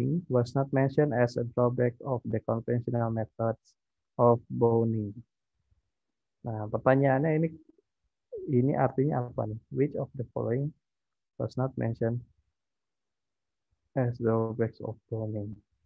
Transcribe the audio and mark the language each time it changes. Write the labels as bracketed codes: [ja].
[en] Was not mentioned as a drawback of the conventional methods of boning. [id] Nah, pertanyaannya ini artinya apa nih? [en] Which of the following was not mentioned as the drawbacks of boning?